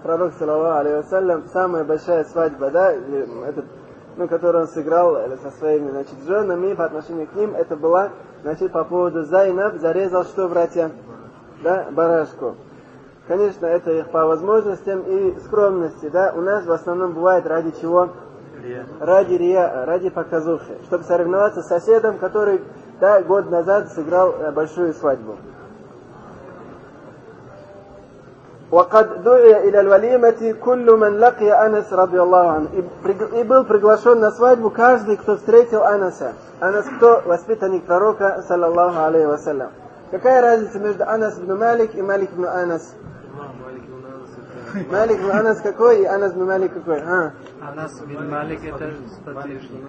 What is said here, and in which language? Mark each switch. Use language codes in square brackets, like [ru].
[ru] Пророк, саллаллаху алейхи ва саллям, самая большая свадьба, да, этот, ну, который он сыграл со своими, значит, женами по отношению к ним, это была, значит, по поводу Зайнаб, зарезал что, братья? Да, барашку. Конечно, это их по возможностям и скромности, да, у нас в основном бывает ради чего? Ради рия, ради показухи, чтобы соревноваться с соседом, который, да, год назад сыграл большую свадьбу. [ar] وقد دعي الى الوليمه كل من لقي انس رضي الله عنه. [ru] И был приглашён на свадьбу каждый, кто встретил Анаса. Анас кто? Воспитанник пророка саллаллаху алейхи ва саллям. Какая разница между Анас ибн Малик и Малик ибн Анас? Малик ибн Анас какой и Анас ибн Малик какой? А? Анас ибн Малик это старший